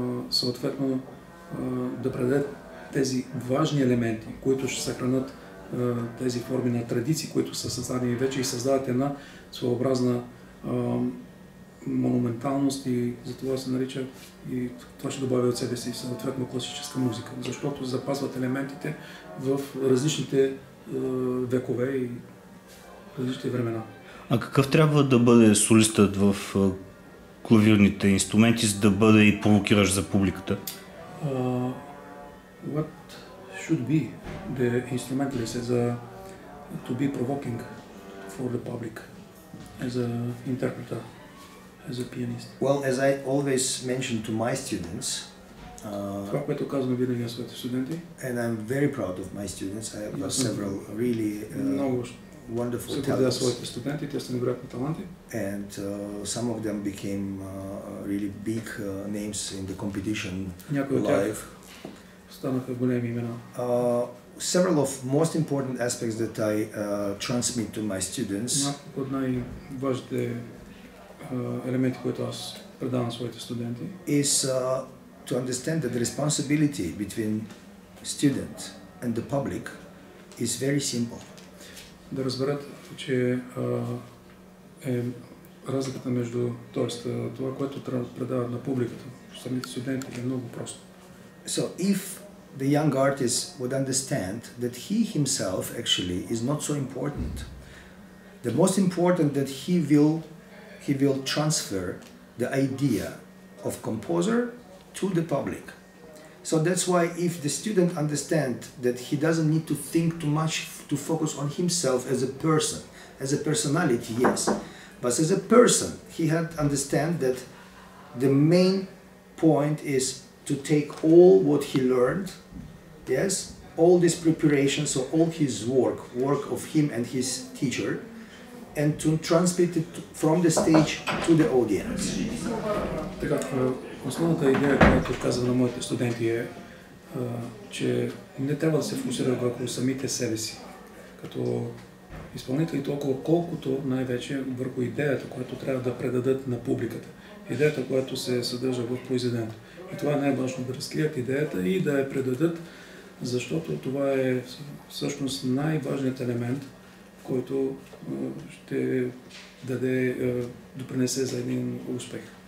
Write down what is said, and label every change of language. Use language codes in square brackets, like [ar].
[bg] съответно да предадат тези важни елементи, които ще съхранят тези форми на традиции, които са създадени вече и създават една своеобразна монументалност, и за това се нарича, и това ще добавя от себе си съответно класическа музика, защото запазват елементите в различните векове и различните времена. А какъв трябва да бъде солистът в клавирните инструменти, за да бъде и провокиращ за публиката? [en] What should be the instrumentalist as a, to be provoking for the public as an interpreter, as a pianist? Well, as I always mention to my students, [bg] това, което казвам винаги на своите студенти. [en] And I'm very proud of my students. I have several really wonderful talents. And some of them became really big names in the competition life. [bg] Станаха големи имена. [en] Several of most important aspects that I transmit to my students. [bg] Някои от най-важните елементи, които аз предавам на своите студенти. [en] Is to understand that the responsibility between student and the public is very simple. [bg] Да разберат, че е разликата между, т.е. това, което трябва да предават на публиката, самите студенти, е много просто. [en] So if the young artist would understand that he himself actually is not so important, the most important that he will transfer the idea of composer to the public. So that's why if the student understand that he doesn't need to think too much to focus on himself as a person, as a personality, yes, but as a person, he had understand that the main point is to take all what he learned, yes, all this preparation, so all his work of him and his teacher, and to transmit it from the stage to the audience. [bg] Така, основната идея, която казвам на моите студенти, е, че не трябва да се фокусира върху самите себе си като изпълнители, толкова колкото най-вече върху идеята, която трябва да предадат на публиката. Идеята, която се съдържа в произведението. И това е най-важно, да разкрият идеята и да я предадат, защото това е всъщност най-важният елемент, който ще даде, допринесе за един успех.